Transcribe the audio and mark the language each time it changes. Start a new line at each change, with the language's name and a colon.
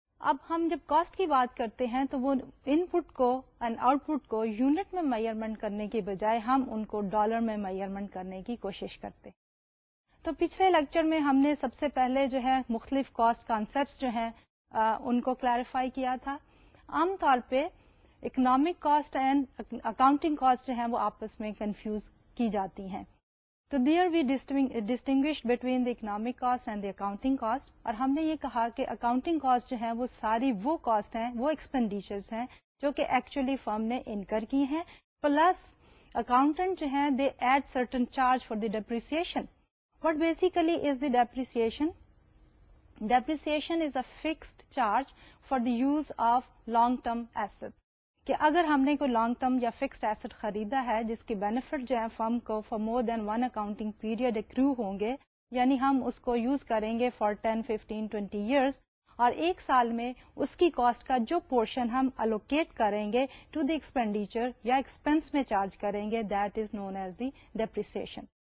Urdu: اب ہم جب کاسٹ کی بات کرتے ہیں تو وہ ان پٹ کو اینڈ آؤٹ پٹ کو یونٹ میں میئرمنٹ کرنے کے بجائے ہم ان کو ڈالر میں میئرمنٹ کرنے کی کوشش کرتے. تو پچھلے لیکچر میں ہم نے سب سے پہلے جو ہے مختلف کاسٹ کانسیپٹس جو ہیں ان کو کلیریفائی کیا تھا. عام طور پہ economic cost and accounting cost جو ہیں وہ آپس میں کنفیوز کی جاتی ہیں.
English: تو there we distinguish between the economic cost and the accounting cost.
Urdu: اور ہم نے یہ کہا کہ اکاؤنٹنگ کاسٹ جو ہیں وہ ساری وہ کاسٹ ہیں, وہ ایکسپینڈیچرز ہیں جو کہ ایکچولی فرم نے انکر کی ہیں, پلس اکاؤنٹنٹ جو ہیں
English: They add certain charge for the depreciation. What basically is the depreciation? Depreciation is a fixed charge for the use of long term assets.
Urdu: کہ اگر ہم نے کوئی لانگ ٹرم یا فکسڈ ایسٹ خریدا ہے جس کے بینیفٹ جو ہے فرم کو
English: for more than one accounting period
Urdu: اکرو ہوں گے, یعنی ہم اس کو یوز کریں گے
English: for 10, 15, 20 years,
Urdu: اور ایک سال میں اس کی کاسٹ کا جو پورشن ہم الوکیٹ کریں گے ٹو دی ایکسپینڈیچر یا ایکسپینس میں چارج کریں گے,
English: That is known as the depreciation.